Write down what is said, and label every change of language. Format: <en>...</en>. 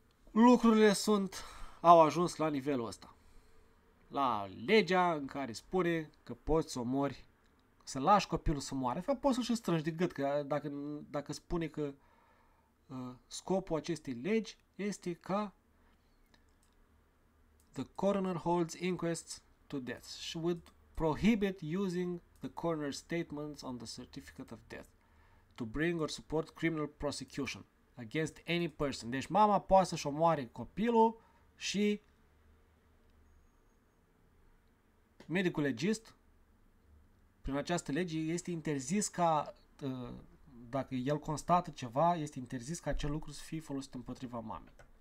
<ro>Lucrurile au ajuns la nivelul ăsta. La legea în care spune că poți să omori, să lași copilul să moară. De fapt, poți să-l și strângi de gât, că dacă spune că scopul acestei legi este ca</ro> <en>the coroner holds inquests to death. She would prohibit using the coroner statements on the certificate of death to bring or support criminal prosecution against any person.</en> <ro>Deci mama poate să-și omoare copilul și medicul legist, prin această lege, este interzis ca, dacă el constată ceva, este interzis ca acel lucru să fie folosit împotriva mamei.</ro>